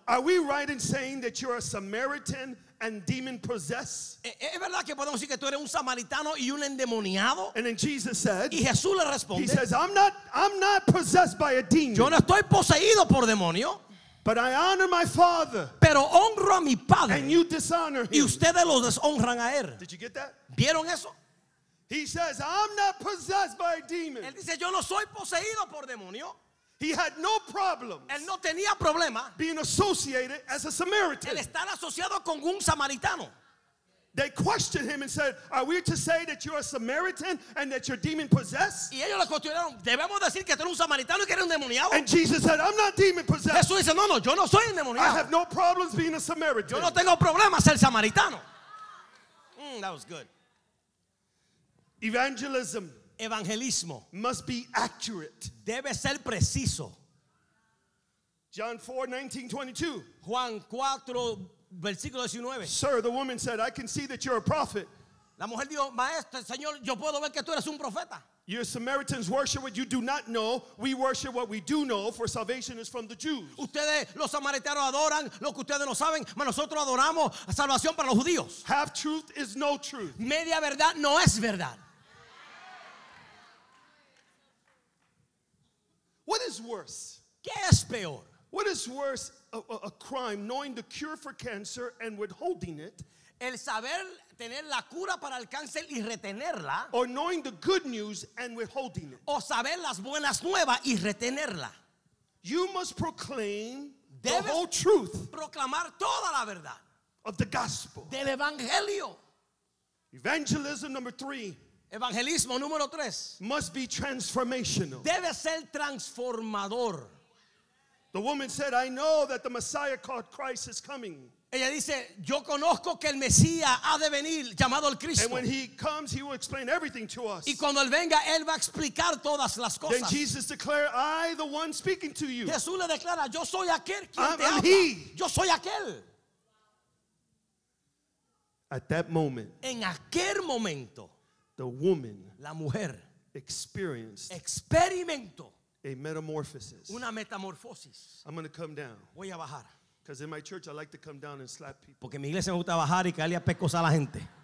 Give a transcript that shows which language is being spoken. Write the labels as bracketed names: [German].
[English] Are we right in saying that you are a Samaritan and demon possessed? [Spanish] ¿Es verdad que podemos decir que tú eres un samaritano y un endemoniado? [English] And then Jesus said. [Spanish] Y Jesús le responde. [English] He says, I'm not possessed by a demon. [Spanish] Yo no estoy poseído por demonio. [English] But I honor my father. [Spanish] Pero honro a mi padre. [English] And you dishonor him. [Spanish] Y ustedes los deshonran a él. [English] Did you get that? [Spanish] ¿Vieron eso? [English] He says, I'm not possessed by a demon. [Spanish] Él dice, yo no soy poseído por demonio. [English] He had no problems. [Spanish] Él no tenía problema. [English] Being associated as a Samaritan. [Spanish] El estar asociado con un samaritano. [English] They questioned him and said, are we to say that you're a Samaritan and that you're demon possessed? [Spanish] Y ellos le cuestionaron, ¿debemos decir que tú eres un samaritano y que eres un demoniado? [English] And Jesus said, I'm not demon possessed. [Spanish] Jesús dice, no, yo no soy endemoniado. [English] I have no problems being a Samaritan. [Spanish] Yo no tengo problema ser samaritano. [English] That was good. Evangelism. [Spanish] Evangelismo. [English] Must be accurate. [Spanish] Debe ser preciso. [English] John 4, 19, 22. [Spanish] Juan 4, versículo 19. [English] Sir, the woman said, I can see that you're a prophet. [Spanish] La mujer dijo, maestro, señor, yo puedo ver que tú eres un profeta. [English] You Samaritans worship what you do not know. We worship what we do know, for salvation is from the Jews. [Spanish] Ustedes, los samaritanos, adoran lo que ustedes no saben, mas nosotros adoramos salvación para los judíos. [English] Half truth is no truth. [Spanish] Media verdad no es verdad. [English] What is worse? [Spanish] ¿Qué es peor? [English] What is worse? A crime, knowing the cure for cancer and withholding it. [Spanish] El saber tener la cura para el cáncer y retenerla. [English] Or knowing the good news and withholding it. [Spanish] O saber las buenas nuevas y retenerla. [English] You must proclaim [Spanish] Debes [English] the whole truth. [Spanish] Proclamar toda la verdad. [English] Of the gospel. [Spanish] Del evangelio. [English] Evangelism number three. [Spanish] Evangelismo número tres. [English] Must be transformational. [Spanish] Debe ser transformador. [English] The woman said, I know that the Messiah called Christ is coming. [Spanish] Ella dice, yo conozco que el Mesías ha de venir, llamado el Cristo. [English] And when he comes, he will explain everything to us. [Spanish] Y cuando él venga, él va a explicar todas las cosas. [English] Then Jesus declared, I, the one speaking to you. [Spanish] Jesús le declara, yo soy aquel quien te habla. [English] I'm he. [Spanish] Yo soy aquel. [English] At that moment. [Spanish] En aquel momento. [English] The woman. [Spanish] La mujer. [English] Experienced. [Spanish] Experimentó. [English] A metamorphosis. [Spanish] Una metamorfosis. [English] I'm going to come down. [Spanish] Voy a bajar. [English] Because in my church I like to come down and slap people. [Spanish] Porque en mi iglesia me gusta bajar y caerle a pescos a la gente.